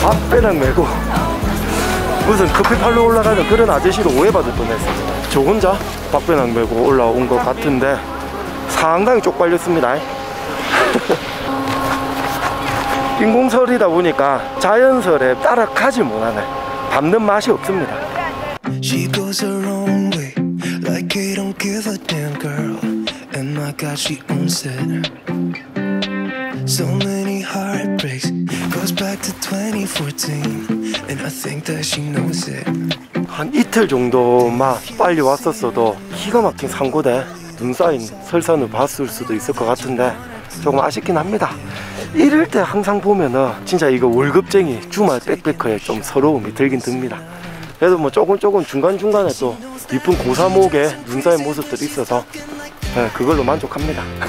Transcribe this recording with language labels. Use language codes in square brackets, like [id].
[ko] 배낭 메고 무슨 커피 팔러 올라가는 그런 아저씨로 오해받을 뻔했어. 저 혼자 박배낭 메고 올라온 것 같은데 상당히 쪽팔렸습니다. 인공설이다 보니까 자연설에 따라가지 못하네. 밟는 맛이 없습니다. [en] She goes her own way like you don't give a damn girl and my god she owns it. So many heartbreaks goes back to 2014 and I think that she knows it. [ko] 한 이틀 정도 막 빨리 왔었어도 기가 막힌 상고대 눈 쌓인 설산을 봤을 수도 있을 것 같은데 조금 아쉽긴 합니다. 이럴 때 항상 보면은 진짜 이거 월급쟁이 주말 백패커에 좀 서러움이 들긴 듭니다. 그래도 뭐 조금 중간중간에 또 이쁜 고사목에 눈 쌓인 모습들이 있어서 네, 그걸로 만족합니다.